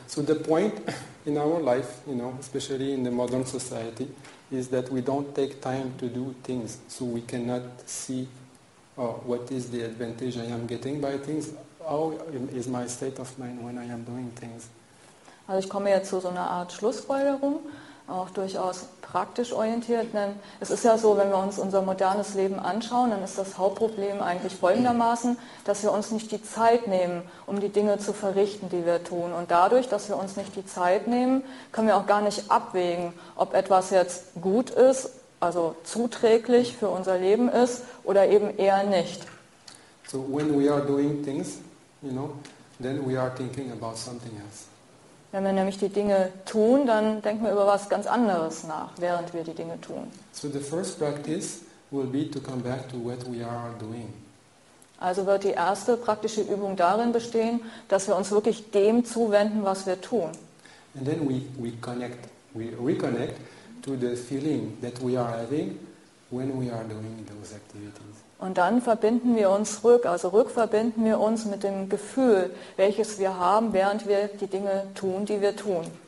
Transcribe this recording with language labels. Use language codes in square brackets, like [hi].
[en] So the point in our life, especially in the modern society, is that we don't take time to do things, so we cannot see what is the advantage I am getting by things, how is my state of mind when I am doing things. [de] Also ich komme jetzt zu so einer Art Schlussfolgerung, auch durchaus praktisch orientiert, denn es ist ja so, wenn wir uns unser modernes Leben anschauen, dann ist das Hauptproblem eigentlich folgendermaßen, dass wir uns nicht die Zeit nehmen, um die Dinge zu verrichten, die wir tun. Und dadurch, dass wir uns nicht die Zeit nehmen, können wir auch gar nicht abwägen, ob etwas jetzt gut ist, also zuträglich für unser Leben ist, oder eben eher nicht. [en] So when we are doing things, then we are thinking about something else. [de] Wenn wir nämlich die Dinge tun, dann denken wir über was ganz anderes nach, während wir die Dinge tun. [en] So the first practice will be to come back to what we are doing. [de] Also wird die erste praktische Übung darin bestehen, dass wir uns wirklich dem zuwenden, was wir tun. [en] And then we reconnect to the feeling that we are having when we are doing those activities. [de] Und dann verbinden wir uns rück, also rückverbinden wir uns mit dem Gefühl, welches wir haben, während wir die Dinge tun, die wir tun.